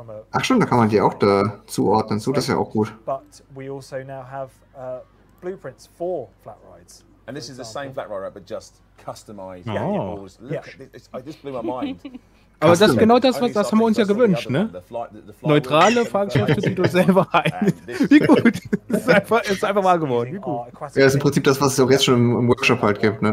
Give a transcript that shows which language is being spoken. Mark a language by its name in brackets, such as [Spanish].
[German] Ach schon, da kann man die auch da zuordnen. So, das ist ja auch gut. [English] But we also now have blueprints for flat rides. And this is the same flat ride, but just customized. Yeah. Oh. This blew my mind. [German] Aber das ist genau das, was das haben wir uns ja gewünscht, ne? Neutrale Fahrgeschäfte, die du selber ein. Wie gut. Ist einfach wahr geworden. Wie gut. Ja, das ist im Prinzip das, was es auch jetzt schon im Workshop halt gibt, ne?